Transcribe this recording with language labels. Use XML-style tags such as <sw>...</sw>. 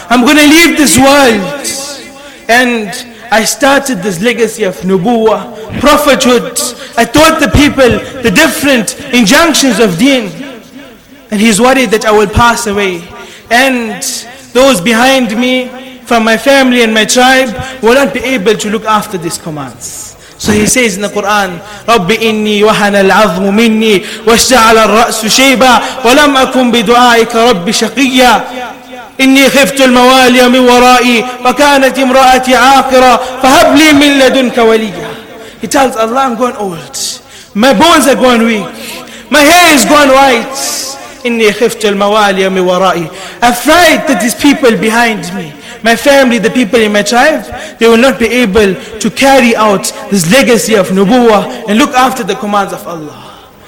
<en>I'm going to leave this world. And I started this legacy of nubuwa, prophethood. I taught the people the different injunctions of deen. And he's worried that I will pass away. And those behind me from my family and my tribe will not be able to look after these commands.</en> <ar>So he says in the Quran, رَبِّ إِنِّي وَهَنَ الْعَظْمُ مِنِّي وَاشْتَعَلَ الرَّأْسُ شَيْبًا وَلَمْ أَكُمْ بِدُعَائِكَ رَبِّ شَقِيًّا إِنِّي خِفْتُ الْمَوَالِيَ مِنْ وَرَائِي وَكَانَتْ إِمْرَأَتِي عَاقِرًا فَهَبْ لِي مِنْ لَدُنْكَ وَلِيًّا.</ar> <en>He tells Allah, I'm going old. My bones are going weak. My hair is going white.</en> <ar>إِنِّي خِفْتُ الْمَوَالِيَ مِنْ وَرَائِي.</ar> <en>Afraid that these people behind me, my family, the people in my tribe, they will not be able to carry out this legacy of nubuwa and look after the commands of Allah.</en>